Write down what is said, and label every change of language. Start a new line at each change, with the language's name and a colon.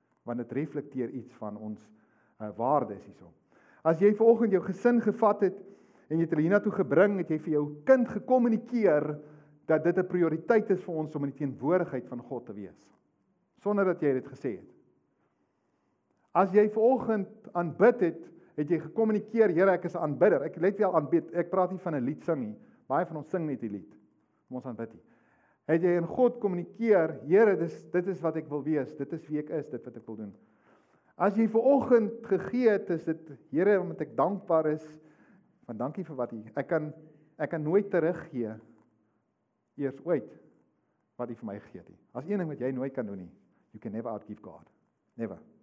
Afrikaans: Want dit reflekteer iets van ons waardes hierso. As jy vanoggend jou gesin gevat het, en jy het hulle hiernatoe gebring, het jy vir jou kind gekommunikeer, dat dit 'n prioriteit is vir ons om in die teenwoordigheid van God te wees. Sonder dat jy dit gesê het. As jy vanoggend aanbid het jy gekommunikeer, Here, ek is 'n aanbidder. Ek let wel aanbid, ek praat nie van 'n lied sing nie. Baie van ons sing net die lied, om ons aanbid nie. Het jy in God kommunikeer, Here, dit is wat ek wil wees, dit is wie ek is, dit wat ek wil doen. As jy vanoggend gegee het, is dit, Here, omdat ek dankbaar is, van dankie vir wat jy, ek kan nooit teruggee, eers ooit, wat jy vir my gegee het. As een ding wat jy nooit kan doen nie,
English: you can never outgive God, never.